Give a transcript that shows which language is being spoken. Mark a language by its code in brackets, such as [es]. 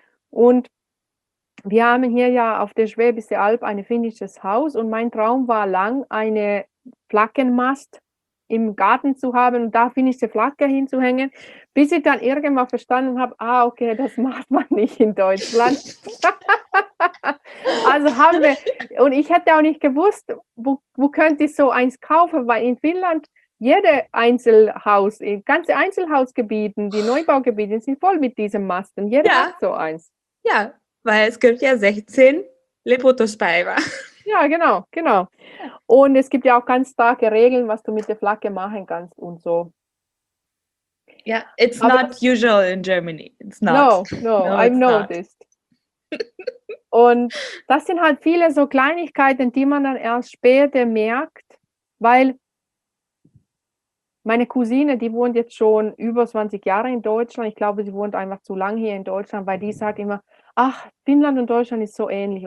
[de] Und wir haben hier ja auf der Schwäbische Alb ein finnisches Haus und mein Traum war lang, eine Flaggenmast im Garten zu haben und da finnische Flagge hinzuhängen, bis ich dann irgendwann verstanden habe, ah, okay, das macht man nicht in Deutschland. Also haben wir, und ich hätte auch nicht gewusst, wo könnte ich so eins kaufen, weil in Finnland jede Einzelhaus, ganze Einzelhausgebiete, die Neubaugebiete sind voll mit diesen Masten, jeder hat so eins. Ja, weil es gibt ja 16 Liputuspäivä. Ja, genau, genau. Und es gibt ja auch ganz starke Regeln, was du mit der Flagge machen kannst und so. [en] Ja, yeah, it's aber not usual in Germany. It's not. No, I've noticed. Not. [de] Und das sind halt viele so Kleinigkeiten, die man dann erst später merkt, weil meine Cousine, die wohnt jetzt schon über 20 Jahre in Deutschland. Ich glaube, sie wohnt einfach zu lang hier in Deutschland, weil die sagt immer, ach, Finnland und Deutschland ist so ähnlich.